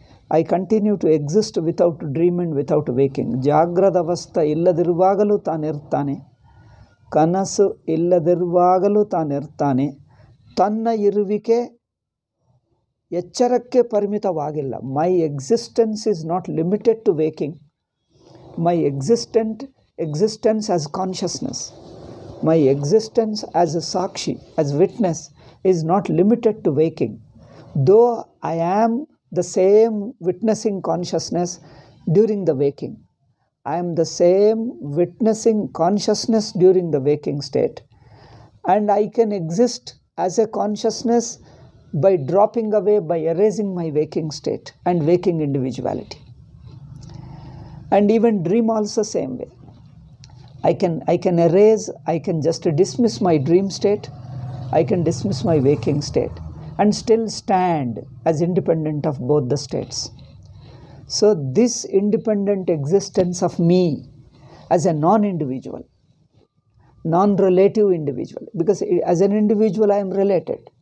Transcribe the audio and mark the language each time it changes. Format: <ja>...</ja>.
<en>I continue to exist without dream and without waking.</en> <kn>Jagradavastha illadirvagalu tanirtane, kanasu illadirvagalu tanirtane, tanna iruvike ಎಚ್ಚರಕ್ಕೆ ಪರಿಮಿತವಾಗಿಲ್ಲ.</kn> <en>My existence is not limited to waking. My existence as consciousness, my existence as a ಸಾಕ್ಷಿ, as witness, is not limited to waking. Though I am the same witnessing consciousness during the waking, I am the same witnessing consciousness during the waking state, and I can exist as a consciousness by dropping away, by erasing my waking state and waking individuality. And even dream also same way. I can erase, I can just dismiss my dream state, I can dismiss my waking state and still stand as independent of both the states. So this independent existence of me as a non-individual, non-relative individual, because as an individual I am related.</en>